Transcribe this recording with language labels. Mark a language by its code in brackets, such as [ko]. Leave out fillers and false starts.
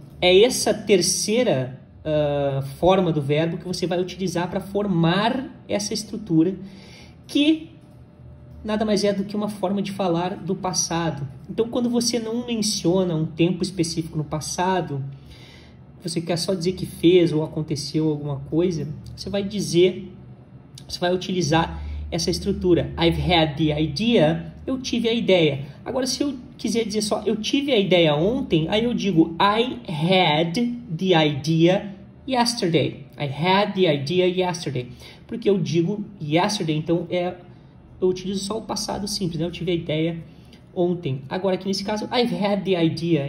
[pt] É essa terceira forma do verbo que você vai utilizar para formar essa estrutura, que nada mais é do que uma forma de falar do passado. Então, quando você não menciona um tempo específico no passado, você quer só dizer que fez ou aconteceu alguma coisa, você vai utilizar essa estrutura. [en] I've had the idea, [pt] eu tive a ideia. Agora, se eu quiser dizer só eu tive a ideia ontem, aí eu digo [en] I had the idea yesterday. I had the idea yesterday. [pt] Porque eu digo yesterday, então é, eu utilizo só o passado simples, né? Eu tive a ideia ontem. Agora aqui nesse caso, [en] I've had the idea.